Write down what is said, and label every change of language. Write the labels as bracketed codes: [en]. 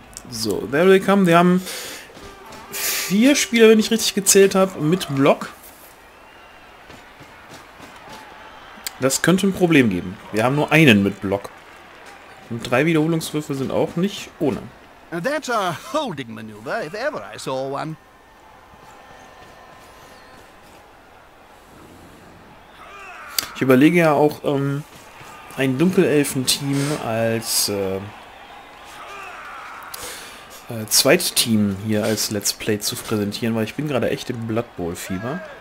[en] So, there they come. [de] Wir haben vier Spieler, wenn ich richtig gezählt habe, mit Block. Das könnte ein Problem geben. Wir haben nur einen mit Block. Und drei Wiederholungswürfe sind auch nicht ohne. [en] That's a holding maneuver, if ever I saw one. [de] Ich überlege ja auch, ein Dunkelelfenteam als Zweitteam hier als Let's Play zu präsentieren, weil ich bin gerade echt im Blood Bowl Fieber.